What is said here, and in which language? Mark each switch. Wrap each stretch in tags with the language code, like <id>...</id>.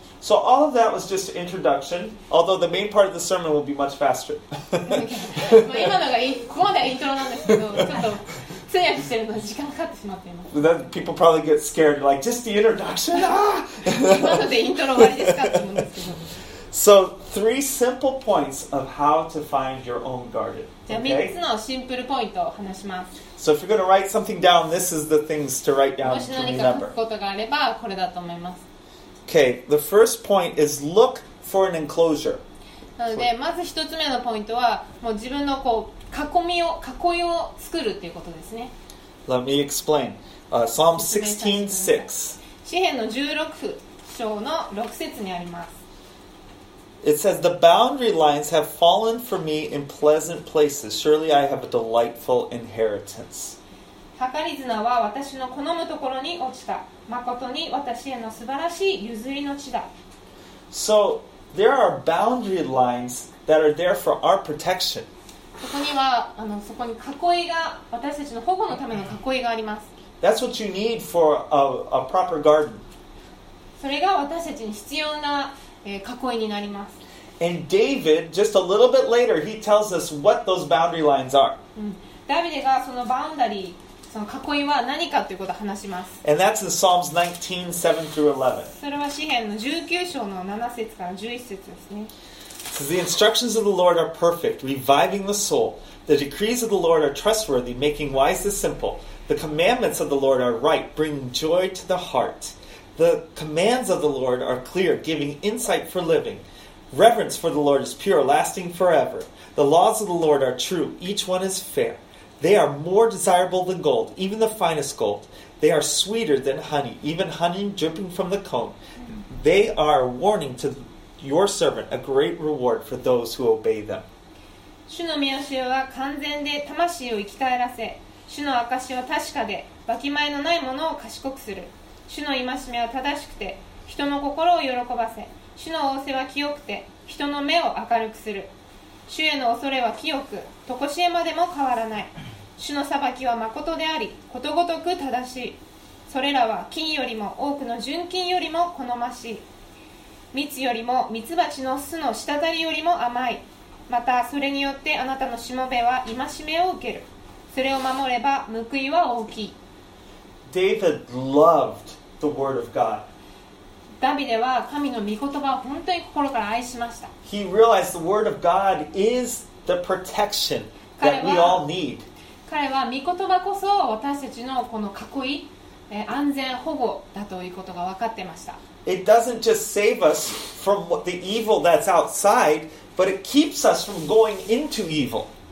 <en>So all of that was just an introduction, although the main part of the sermon will be much faster.</en> <ja>今のがここまでイントロなんですけど、ちょっと通訳してるので時間かかってしまっています。</ja> <en>Then people probably get scared, like, just the introduction?</en> <ja>今のでイントロ終わりですかって思うんですけど。</ja> <en>So three simple points of how to find your own garden.</en> <ja>じゃあ3つのシンプルポイントを話します。</ja> <en>So if you're going to write something down, this is the things to write down to remember.</en> <ja>もし何か書くことがあればこれだと思います。</ja> <en>Okay, the first point is look for an enclosure.</en> <ja>なので、まず一つ目のポイントは、もう自分のこう囲いを作るっていうことですね。</ja> <en>Let me explain. Psalm 16:6.</en> <ja>詩編の16章の6節にあります。</ja> <en>It says, "The boundary lines have fallen for me in pleasant places. Surely I have a delightful inheritance."</en> <ja>はかり綱は私の好むところに落ちた。誠に私への素晴らしい譲りの地だ。</ja> <en>So, there are boundary lines that are there for our protection.</en> <ja>そこには、そこに囲いが、私たちの保護のための囲いがあります。</ja> <en>That's what you need for a proper garden.</en> <ja>それが私たちに必要な、囲いになります。</ja> <en>And David, just a little bit later, he tells us what those boundary lines are.</en> <ja>ダビデがそのバウンダリー、その囲いは何かということを話します。</ja> <en>And that's in Psalms 19, 7 through 11.</en> <ja>それは詩編の19章の7節から11節ですね。</ja> <en>So the instructions of the Lord are perfect, reviving the soul. The decrees of the Lord are trustworthy, making wise the simple. The commandments of the Lord are right, bringing joy to the heart. The commands of the Lord are clear, giving insight for living. Reverence for the Lord is pure, lasting forever. The laws of the Lord are true, each one is fair. They are more desirable than gold, even the finest gold. They are sweeter than honey, even honey dripping from the comb. They are a warning to your servant, a great reward for those who obey them.</en> <ja>主の御教えは完全で魂を生き返らせ、主の証は確かで、わきまえのないものを賢くする。主の戒めは正しくて、人の心を喜ばせ、主の仰せは清くて、人の目を明るくする。主への恐れは清く、とこしえまでも変わらない。主の裁きはまことであり、ことごとく正しい。それらは金よりも多くの純金よりも好ましい。蜜よりも蜜蜂の巣の滴りよりも甘い。またそれによってあなたのしもべは戒めを受ける。それを守れば報いは大きい。</ja> <en>David loved the word of God.</en> <ja>ダビデは神の御言葉を本当に心から愛しました。</ja> <en>He realized the word of God is the protection that we all need.</en> <ja>彼は御言葉こそ私たちのこの囲い、安全保護だということが分かってました。</ja> <en>It doesn't just save us from the evil that's outside, but it keeps us from going into evil.</en>